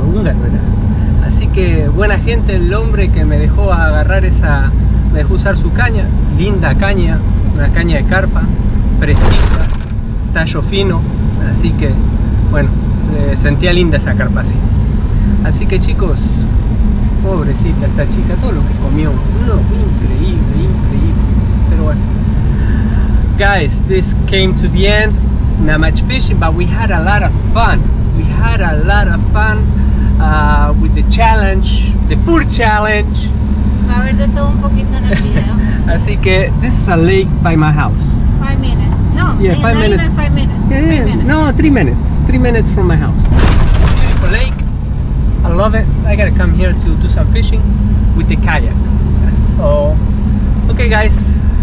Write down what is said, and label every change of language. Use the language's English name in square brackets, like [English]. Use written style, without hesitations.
[Spanish] Húngaro era. Así que, buena gente. El hombre que me dejó agarrar esa... Me dejó usar su caña. Linda caña. Una caña de carpa, precisa, tallo fino, así que, bueno, se sentía linda esa carpa así. Así que chicos, pobrecita esta chica, todo lo que comió, no, increíble. Pero bueno. [English] Guys, this came to the end, not much fishing, but we had a lot of fun. We had a lot of fun with the challenge, the food challenge. [Spanish] Va a haber de todo un poquito en el video. Así que, [English] this is a lake by my house. 5 minutes. No, yeah, five minutes. Even 5 minutes. Yeah, 5 minutes. No, 3 minutes. 3 minutes from my house. Beautiful lake. I love it. I gotta come here to do some fishing with the kayak. So, okay, guys.